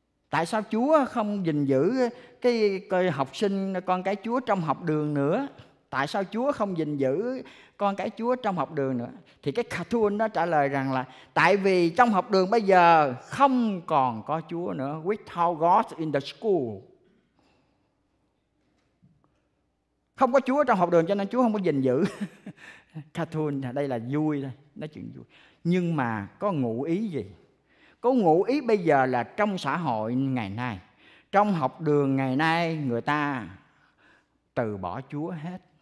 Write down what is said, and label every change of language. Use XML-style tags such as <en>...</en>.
<vi>Tại sao Chúa không gìn giữ cái học sinh con cái Chúa trong học đường nữa? Tại sao Chúa không gìn giữ con cái Chúa trong học đường nữa? Thì cái cartoon nó trả lời rằng là tại vì trong học đường bây giờ không còn có Chúa nữa.</vi> <en>Without God in the school.</en> <vi>Không có Chúa trong học đường cho nên Chúa không có gìn giữ. Cartoon đây là vui thôi, nói chuyện vui. Nhưng mà có ngụ ý gì? Có ngụ ý bây giờ là trong xã hội ngày nay, trong học đường ngày nay, người ta từ bỏ Chúa hết.</vi>